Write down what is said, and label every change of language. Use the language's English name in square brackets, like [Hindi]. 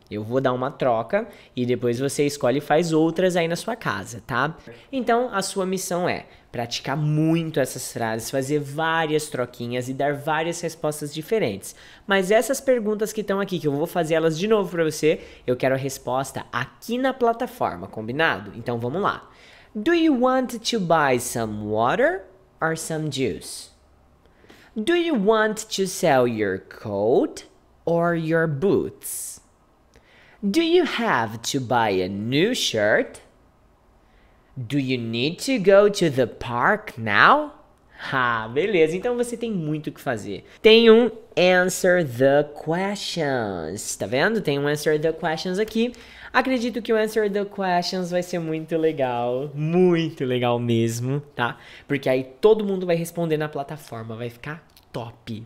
[Portuguese] Eu vou dar uma troca e depois você escolhe e faz outras aí na sua casa, tá? Então, a sua missão é praticar muito essas frases, fazer várias troquinhas e dar várias respostas diferentes. Mas essas perguntas que estão aqui, que eu vou fazer elas de novo pra você, eu quero a resposta aqui na plataforma, combinado? Então, vamos lá. [English] Do you want to buy some water or some juice? Do you want to sell your coat or your boots? Do you have to buy a new shirt? Do you need to go to the park now? [Portuguese] Ah, beleza, então você tem muito o que fazer. Tem um [English] answer the questions, [Portuguese] tá vendo? Tem um answer the questions aqui. Acredito que o [English] answer the questions [Portuguese] vai ser muito legal mesmo, tá? Porque aí todo mundo vai responder na plataforma, vai ficar top.